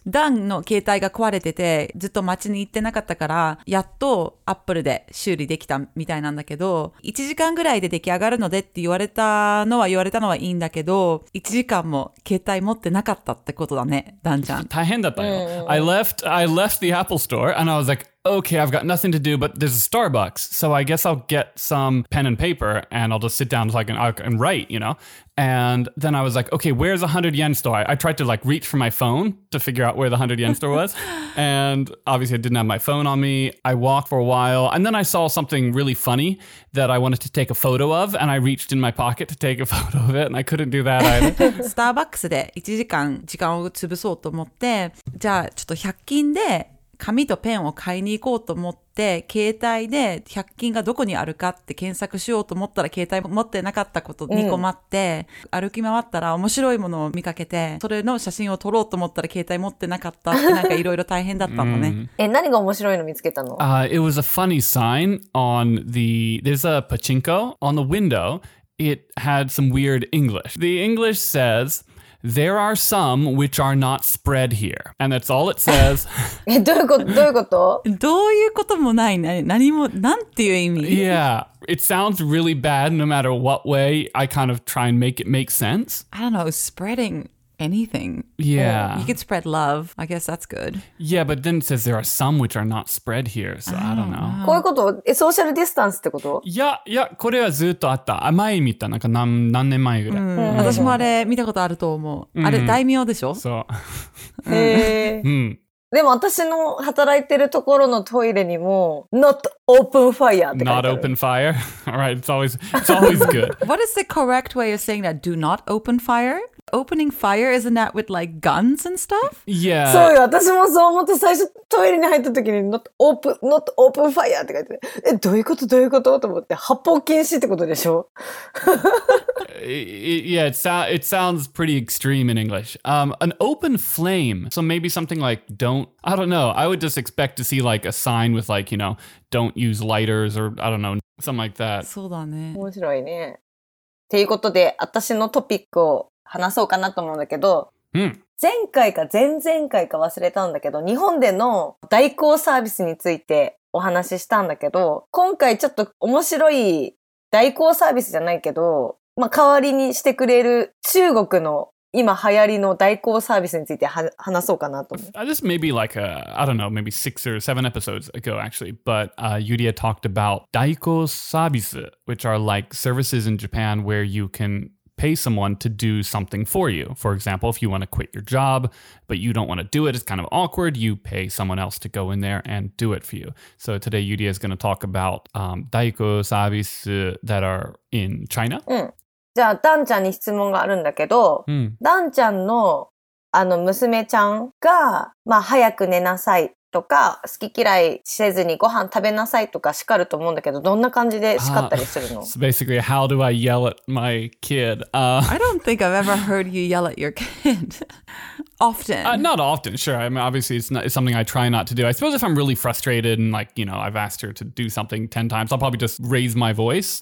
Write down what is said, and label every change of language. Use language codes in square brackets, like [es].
[ja] Dan の携帯が壊れてて、ずっと街に行ってなかったから、やっと Apple で修理できたみたいなんだけど、1時間ぐらいで出来上がるのでって言われたのはいいんだけど、1時間も携帯持ってなかったってことだね、Dan ちゃん。大変だったよ。 [en] I left the Apple store and I was like,Okay, I've got nothing to do, but there's a Starbucks, so I guess I'll get some pen and paper, and I'll just sit down so I can write, you know? And then I was like, okay, where's the 100 yen store? I tried to, like, reach for my phone to figure out where the 100 yen store was, and obviously I didn't have my phone on me. I walked for a while, and then I saw something really funny that I wanted to take a photo of, and I reached in my pocket to take a photo of it, and I couldn't do that either. [ja] Starbucks で1時間時間を潰そうと思って、じゃあちょっと100均で紙とペンを買いに行こうと思って、携帯で100均がどこにあるかって検索しようと思ったら、携帯持ってなかったことに困って、歩き回ったら面白いものを見かけて、それの写真を撮ろうと思ったら携帯持ってなかったって、なんかいろいろ大変だったのね。え、何が面白いの見つけたの? [en] It was a funny sign on the... There's a pachinko on the window. It had some weird English. The English says... There are some which are not spread here. And that's all it says. [ja] どういうこと? どういうこともない。何も、なんていう意味? [en] Yeah. It sounds really bad no matter what way I kind of try and make it make sense. I don't know. Spreading anything. Yeah. You could spread love. I guess that's good. Yeah, but then it says there are some which are not spread here. So I don't know. [ja] こういうこと?Social distance ってこと? いや、これはずっとあった。前見たな。なんか何年前ぐらい。私もあれ見たことあると思う。あれ大名でしょ? そう。でも私の働いてるところのトイレにも [en] Not open fire [ja] って書いてある。 [en] Not open fire? Alright, it's always good. What is the correct way of saying that? Do not open fire? Opening fire, isn't that with like guns and stuff? Yeah. [ja] そうよ、私もそう思って最初トイレに入った時に [en] not open fire [ja] って書いてて、え、どういうことと思って、発砲禁止ってことでしょ? [en] it sounds pretty extreme in English. An open flame, so maybe something like don't, I don't know, I would just expect to see like a sign with like, you know, don't use lighters or I don't know, something like that. [ja] そうだね。面白いね。ということで、私のトピックを話そうかなと思うんだけど、前回か前々回か忘れたんだけど、日本での代行サービスについてお話ししたんだけど、今回ちょっと面白い代行サービスじゃないけど、まあ代わりにしてくれる中国の今流行りの代行サービスについて話そうかなと思う。 [en] This may be like a, I don't know, maybe 6 or 7 episodes ago actually, but Yuria talked about 代行サービス, which are like services in Japan where you canPay someone to do something for you. For example, if you want to quit your job, but you don't want to do it, it's kind of awkward, you pay someone else to go in there and do it for you. So today, Yuri is going to talk about daiko service that are in China. [ja] じゃあ、ダンちゃんに質問があるんだけど、ダンちゃんの娘ちゃんが、まあ、早く寝なさい。とか好き嫌いせずにご飯食べなさいとか叱ると思うんだけど、どんな感じで叱ったりするの？ [en] So basically, how do I yell at my kid? I don't think I've ever heard you yell at your kid. Often. Not often, sure. I mean, obviously, it's something I try not to do. I suppose if I'm really frustrated and, like, you know, I've asked her to do something 10 times, I'll probably just raise my voice.